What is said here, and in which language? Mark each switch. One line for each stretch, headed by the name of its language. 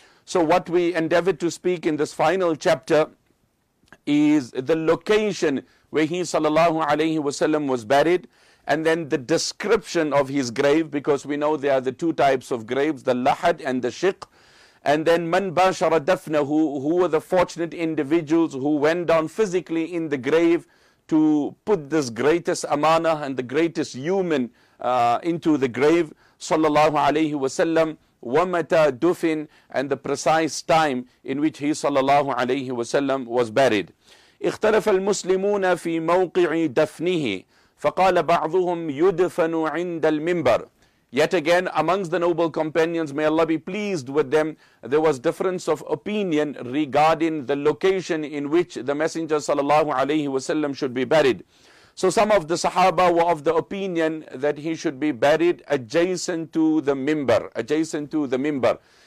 English: So what we endeavored to speak in this final chapter is the location where he sallallahu alayhi wa sallam was buried, and then the description of his grave, because we know there are the two types of graves, the lahad and the shiq, and then
Arabic: man bashara dafnahu,
English: who were the fortunate individuals who went down physically in the grave to put this greatest amanah and the greatest human into the grave, sallallahu alayhi wa sallam.
Arabic: وَمَتَى دُفِن
English: and the precise time in which he صلى الله عليه وسلم was buried.
Arabic: اختلف المسلمون في موقع دفنه فقال بعضهم يدفن عند المنبر.
English: Yet again, amongst the noble companions, may Allah be pleased with them, there was difference of opinion regarding the location in which the Messenger صلى الله عليه وسلم should be buried. So some of the Sahaba were of the opinion that he should be buried adjacent to the minbar, adjacent to the minbar.